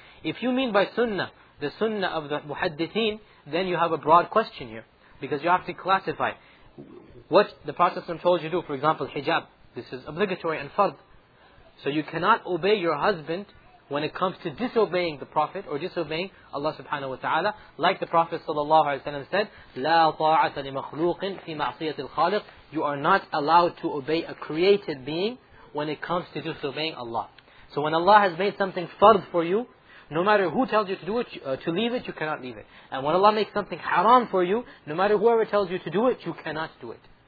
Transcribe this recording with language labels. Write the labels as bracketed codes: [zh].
[en] If you mean by sunnah, the sunnah of the muhaddithin, then you have a broad question here. Because you have to classify what the Prophet ﷺ told you to do. For example, hijab. This is obligatory and fard. So you cannot obey your husband when it comes to disobeying the Prophet or disobeying Allah subhanahu wa ta'ala. Like the Prophet ﷺ said, [ar] لا طاعة لمخلوق في معصية الخالق. [en] You are not allowed to obey a created being when it comes to disobeying Allah. So when Allah has made something fard for you, no matter who tells you to do it, to leave it, you cannot leave it. And when Allah makes something haram for you, no matter whoever tells you to do it, you cannot do it.